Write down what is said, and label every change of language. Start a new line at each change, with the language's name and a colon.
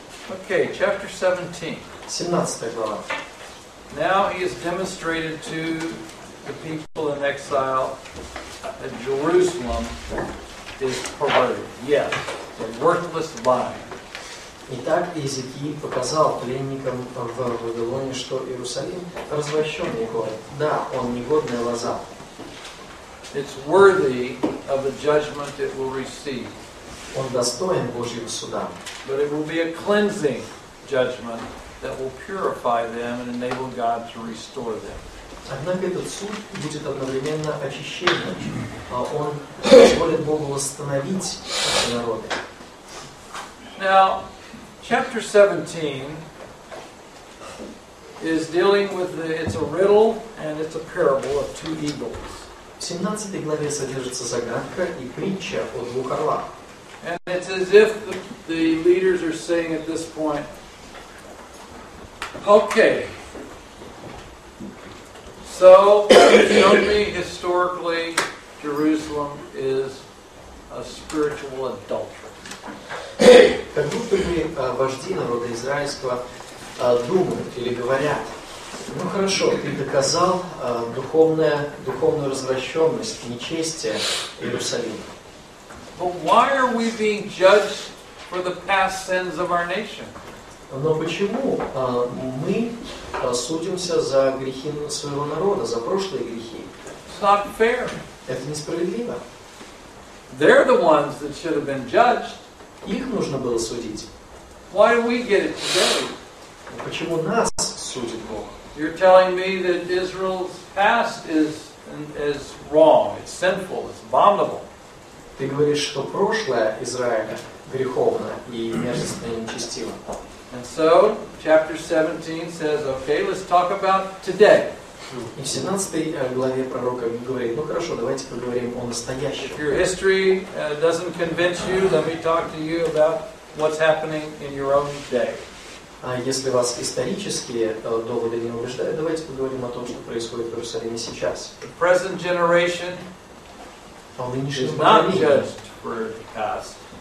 English: Okay, chapter 17.
Russian: 17 глава.
English: Now he has demonstrated to the people in exile that Jerusalem is perverted. Yes, a worthless vine.
Russian: Итак, Иезекииль показал пленникам в Вавилоне, что Иерусалим развращенный город. Да, он негодная лоза.
English: It's worthy of the judgment it will receive.
Russian: Он достоин Божьего суда.
English: But it will be a cleansing judgment. That will purify them and enable God to restore them.
Russian: Однако этот суд будет одновременно очищением. Он позволит Богу восстановить эти народы.
English: Now, chapter 17 is dealing with it's a riddle and it's a parable of two eagles.
Russian: В 17 главе содержится загадка и притча о двух орлах.
English: And it's as if the leaders are saying at this point. Okay, so show me historically Jerusalem is a spiritual adulteress.
Russian: Как будто бы вожди народа израильского думают или говорят, ну хорошо, ты доказал духовную развращенность, нечестие Иерусалима.
English: But why are we being judged for the past sins of our nation?
Russian: Но почему мы судимся за грехи своего народа, за прошлые грехи?
English: It's not fair.
Russian: Это несправедливо.
English: They're the ones that should have been judged.
Russian: Их нужно было судить.
English: Why do we get it today?
Russian: Почему нас судит Бог?
English: You're telling me that Israel's past is wrong, it's sinful, it's abominable.
Russian: Ты говоришь, что прошлое Израиля греховно и мерзостно и нечестиво.
English: And so, chapter 17 says, okay, let's talk about today.
Russian: И в 17 главе пророка говорит, ну хорошо, давайте поговорим о настоящем.
English: If your history doesn't convince you, let me talk to you about what's happening in your own day.
Russian: Если вас исторические доводы не убеждают, давайте поговорим о том, что происходит в Иерусалиме сейчас.
English: The present generation is not judged for the past.